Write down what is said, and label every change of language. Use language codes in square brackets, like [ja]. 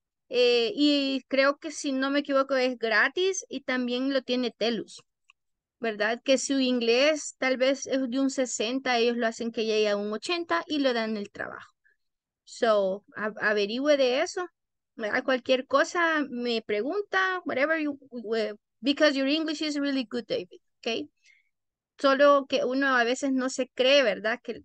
[es] Y creo que si no me equivoco es gratis, y también lo tiene Telus, ¿verdad? Que su inglés tal vez es de un 60, ellos lo hacen que llegue a un 80 y le dan el trabajo. So, averigüe de eso. A cualquier cosa me pregunta, [en] whatever you, because your English is really good, David, okay? [es] Solo que uno a veces no se cree, ¿verdad?